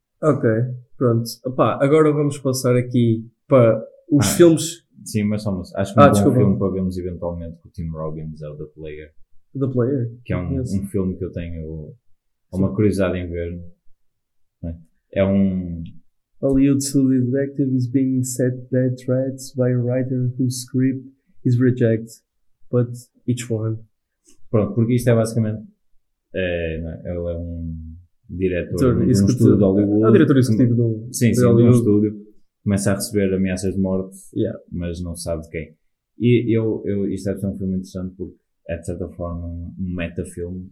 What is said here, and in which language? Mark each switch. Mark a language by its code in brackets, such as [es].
[pt] Ok, pronto. Opa, agora vamos passar aqui para os filmes. Sim, mas só uma. Acho que um bom desculpa. Filme para vermos eventualmente com o Tim Robbins é o The Player. The Player. Que é um filme que eu tenho uma curiosidade em ver. É um. [en] Hollywood City Detective is being set dead threats by a writer whose script is rejected, but each one. [pt] Pronto, porque isto é basicamente. Ele é um diretor de um estúdio de Hollywood. É o diretor executivo do de um estúdio. Começa a receber ameaças de morte, mas não sabe de quem. E eu, isto deve ser um filme interessante porque é, de certa forma, um metafilme.